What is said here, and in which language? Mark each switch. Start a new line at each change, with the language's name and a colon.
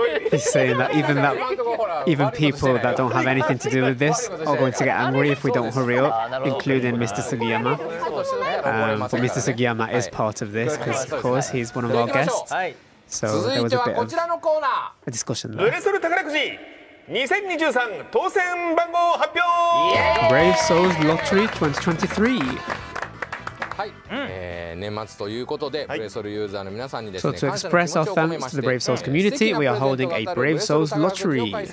English: He's saying that even people that don't have anything to do with this are going to get angry if we don't hurry up, including Mr. Sugiyama. But Mr. Sugiyama is part of this because, of course, he's one of our guests. So there was a bit of a discussion there.
Japanese: ブレソル宝くじ2023当選番号発表。
English: Brave Souls Lottery 2023。
Japanese: 年末ということで、ブレソルユーザーの皆さんにです
English: ね、So to express our thanks to the Brave Souls community, we are holding a Brave Souls Lottery.